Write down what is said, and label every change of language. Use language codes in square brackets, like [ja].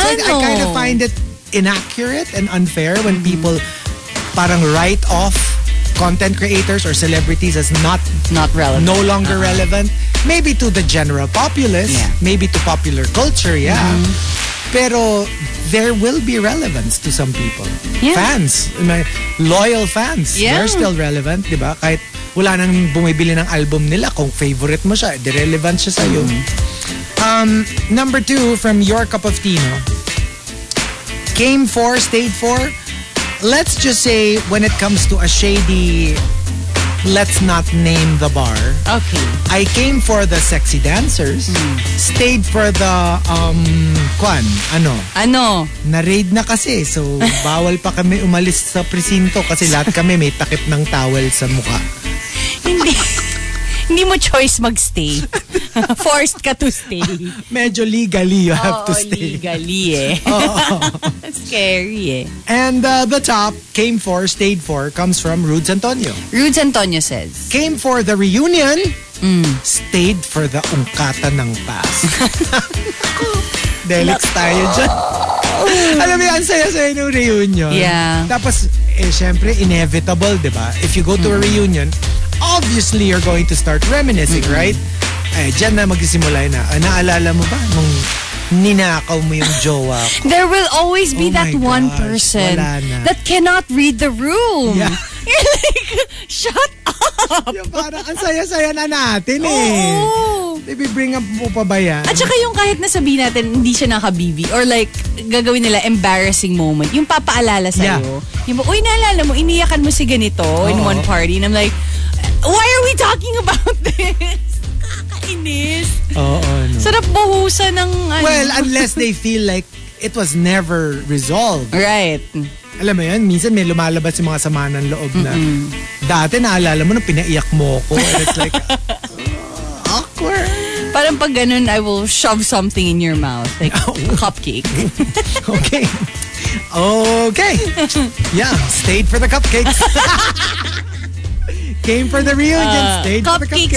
[en] so I kind of find it inaccurate and unfair when people parang write off content creators or celebrities as not relevant. No longer relevant. Maybe to the general populace. Yeah. Maybe to popular culture, yeah. Mm-hmm. Pero there will be relevance to some people. Yeah. Fans. Loyal fans. Yeah. They're still relevant, diba? [tl] Kahit wala nang bumibili ng album nila, kung favorite mo siya, di relevant siya sa'yo. [en] Number 2 from Your Cup of Tino. Came for, stayed for. Let's just say when it comes to a shady, let's not name the bar. Okay. I came for the sexy dancers. Mm-hmm. Stayed for the, kwan? Ano? [tl] Ano? Na-raid na kasi. So, bawal pa kami umalis sa presinto kasi lahat kami may takip ng towel sa mukha. Hindi. Hindi mo choice mag-stay. Forced ka [en] to stay. Medyo legally you have to stay. Legally eh. Scary eh. And the top, came for, stayed for, comes from Rudes Antonio. Rudes Antonio says, came for the reunion, stayed for the [tl] ungkata ng past. Deliks tayo dyan. Alam mo, ang saya-saya ng reunion. [en] Yeah. [tl] Tapos, syempre, inevitable, di ba? [en] If you go to a reunion, obviously, you're going to start reminiscing, right? [tl] Eh, dyan na magsisimula na. Naalala mo ba nung ninakaw mo yung jowa ko? [en] There will always be that one person that cannot read the room. Yeah. You're like, shut up! [tl] parang ang saya-saya na natin eh. Oo. [en] Bring up [tl] mo pa ba yan? At saka yung kahit na sabihin natin hindi siya naka-bibi or like gagawin nila [en] embarrassing moment, [tl] yung papaalala sa'yo. Yeah. Yung, uy, naalala mo, iniyakan mo si ganito [en] in one party and I'm like, why are we talking about this? [tl] Kakainis. Oo. No. Sarap buhusan ng ano. [en] Well, unless they feel like it was never resolved. Right. [tl] Alam mo yun, minsan may lumalabas yung mga sama ng loob na dati naalala mo nung pinaiyak mo ko. [en] And it's like, awkward. [tl] Parang pag ganun, [en] I will shove something in your mouth. Like, a cupcake. Okay. Okay. Yeah, stayed for the cupcakes. Came for the reunion, stayed for the cupcakes.